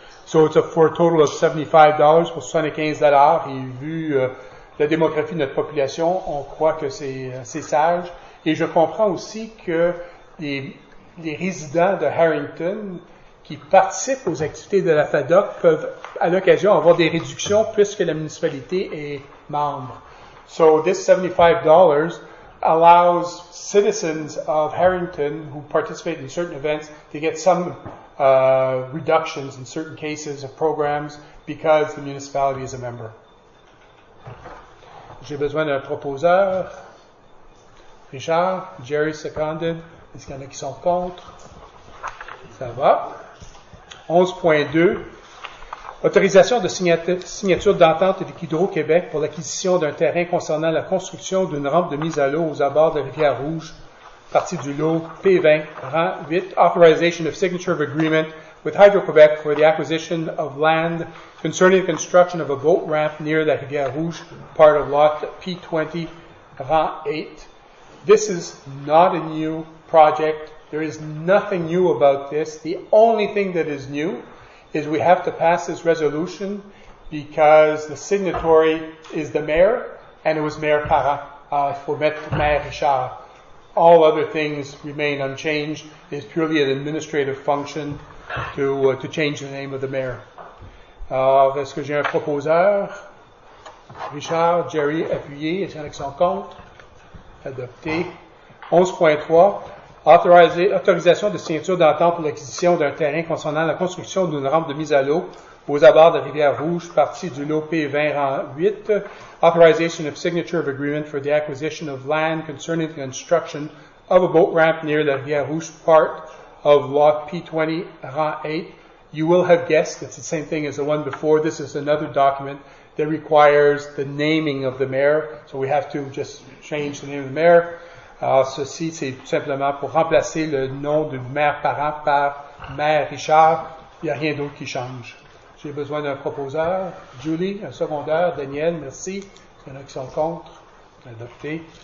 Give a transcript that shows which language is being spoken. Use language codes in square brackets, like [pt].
[en] So it's for a total of $75 [fr] pour $75 et vu la démographie de notre population, on croit que c'est sage. Et je comprends aussi que les résidents de Harrington qui participent aux activités de la FADOC peuvent, à l'occasion, avoir des réductions puisque la municipalité est membre. [en] So this $75 allows citizens of Harrington who participate in certain events to get some reductions in certain cases of programs because the municipality is a member. [fr] J'ai besoin d'un proposeur. Richard, Jerry seconded. Est-ce qu'il y en a qui sont contre? Ça va. 11.2. Autorisation de signature d'entente avec Hydro-Québec pour l'acquisition d'un terrain concernant la construction d'une rampe de mise à l'eau aux abords de Rivière-Rouge, partie du lot P20, rang 8. [en] Authorization of signature of agreement with Hydro-Québec for the acquisition of land concerning the construction of a boat ramp near the Rivière-Rouge, part of lot P20, rang 8. This is not a new project. There is nothing new about this. The only thing that is new is we have to pass this resolution because the signatory is the mayor and it was Mayor Parent. [fr] Il faut mettre [en] Mayor Richard. All other things remain unchanged. It's purely an administrative function to change the name of the mayor. [fr] Alors, est-ce que j'ai un proposeur? Richard, Jerry, appuyé. Est-ce qu'il y en a qui sont contre? Adopté. 11.3. Autorisation de signature d'entente pour l'acquisition d'un terrain concernant la construction d'une rampe de mise à l'eau aux abords de Rivière-Rouge, partie du lot P20, rang 8. [en] Authorization of signature of agreement for the acquisition of land concerning the construction of a boat ramp near the Rivière-Rouge, part of lot P20, rang 8. You will have guessed, it's the same thing as the one before. This is another document that requires the naming of the mayor. So we have to just change the name of the mayor. [fr] Alors, ceci, c'est tout simplement pour remplacer le nom du maire parent par maire Richard. Il n'y a rien d'autre qui change. J'ai besoin d'un proposeur. Julie, un secondeur. Daniel, merci. Il y en a qui sont contre. Adopté.